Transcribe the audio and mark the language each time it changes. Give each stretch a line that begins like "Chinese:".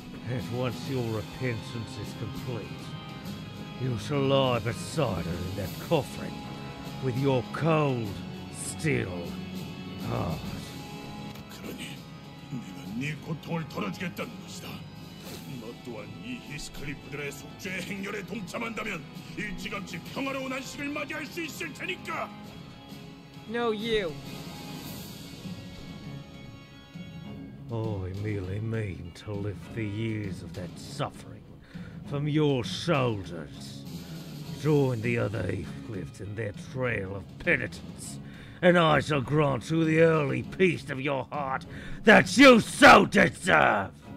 English: And once your repentance is complete, you shall lie beside her in that coffin with your cold, still heart.
Korean: 그러니 내가 네 고통을 덜어주겠다는 것이다. 너 또한 이 히스클리프들의 속죄 행렬에 동참한다면 일찌감치 평화로운 안식을 맞이할 수 있을 테니까.
English: No, you. I merely mean to lift the years of that suffering from your shoulders. Join the other Heathcliffs in their trail of penitence, and I shall grant you the early peace of your heart that you so deserve!